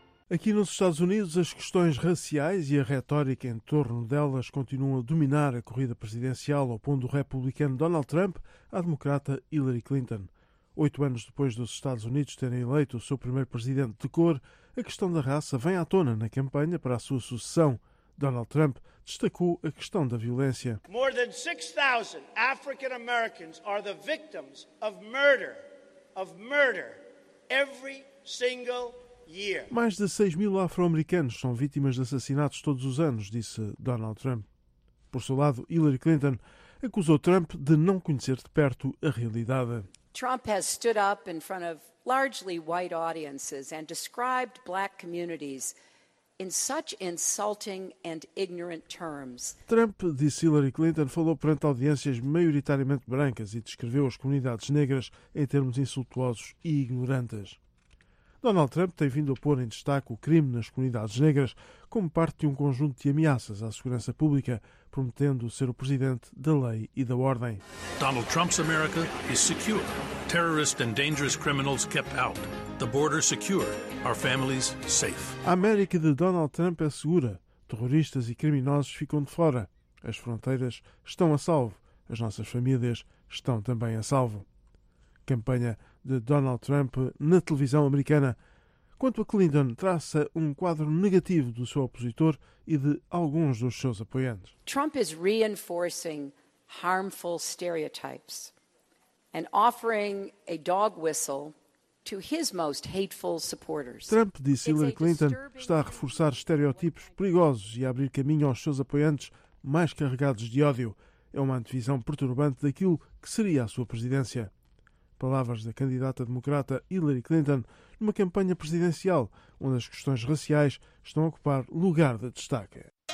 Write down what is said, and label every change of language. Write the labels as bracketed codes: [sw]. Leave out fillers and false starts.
[pt] Aqui nos Estados Unidos, as questões raciais e a retórica em torno delas continuam a dominar a corrida presidencial, opondo o republicano Donald Trump à democrata Hillary Clinton. 8 anos depois dos Estados Unidos terem eleito o seu primeiro presidente de cor, a questão da raça vem à tona na campanha para a sua sucessão. Donald Trump destacou a questão da violência. [en] More than 6,000 African Americans are the victims of murder every single day. [pt] Mais de 6 mil afro-americanos são vítimas de assassinatos todos os anos, disse Donald Trump. Por seu lado, Hillary Clinton acusou Trump de não conhecer de perto a realidade. [en] Trump has stood up in front of largely white audiences and described black communities in such insulting and ignorant terms. [pt] Trump, disse Hillary Clinton, falou perante audiências maioritariamente brancas e descreveu as comunidades negras em termos insultuosos e ignorantes. Donald Trump tem vindo a pôr em destaque o crime nas comunidades negras como parte de um conjunto de ameaças à segurança pública, prometendo ser o presidente da lei e da ordem. [en] Donald Trump's America is secure. Terrorists and dangerous criminals kept out. The border secure. Our families safe. [pt] A América de Donald Trump é segura. Terroristas e criminosos ficam de fora. As fronteiras estão a salvo. As nossas famílias estão também a salvo. Campanha de Donald Trump na televisão americana. Quanto a Clinton, traça um quadro negativo do seu opositor e de alguns dos seus apoiantes. [en] Trump is reinforcing harmful stereotypes and offering a dog whistle to his most hateful supporters. [pt] Trump, disse Hillary Clinton, está a reforçar estereótipos perigosos e a abrir caminho aos seus apoiantes mais carregados de ódio. É uma antevisão perturbante daquilo que seria a sua presidência. Palavras da candidata democrata Hillary Clinton numa campanha presidencial onde as questões raciais estão a ocupar lugar de destaque.